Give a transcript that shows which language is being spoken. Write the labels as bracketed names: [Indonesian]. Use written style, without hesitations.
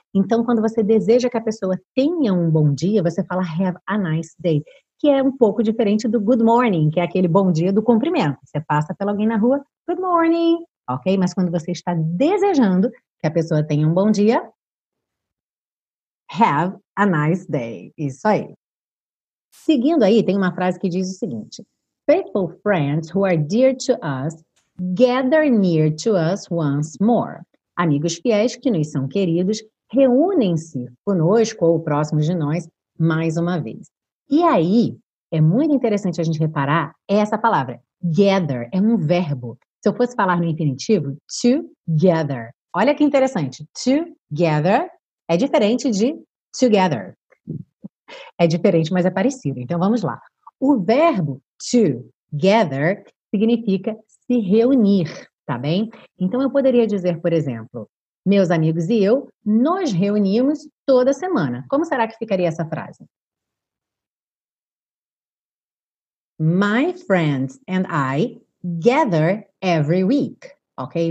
[Portuguese] Então, quando você deseja que a pessoa tenha um bom dia, você fala, [English] have a nice day, [Portuguese] que é um pouco diferente do good morning, que é aquele bom dia do cumprimento. Você passa pelo alguém na rua, good morning, ok? Mas quando você está desejando que a pessoa tenha um bom dia, [English] have a nice day. [Portuguese] Isso aí. Seguindo aí, tem uma frase que diz o seguinte. [English] Faithful friends who are dear to us, gather near to us once more. [Portuguese] Amigos fiéis que nos são queridos, reúnem-se conosco ou próximos de nós mais uma vez. E aí, é muito interessante a gente reparar essa palavra. Gather é um verbo. Se eu fosse falar no infinitivo, to gather. Olha que interessante. To gather é diferente de together. É diferente, mas é parecido. Então, vamos lá. O verbo to gather significa se reunir, tá bem? Então, eu poderia dizer, por exemplo, meus amigos e eu nos reunimos toda semana. Como será que ficaria essa frase? [English] My friends and I gather every week, ok?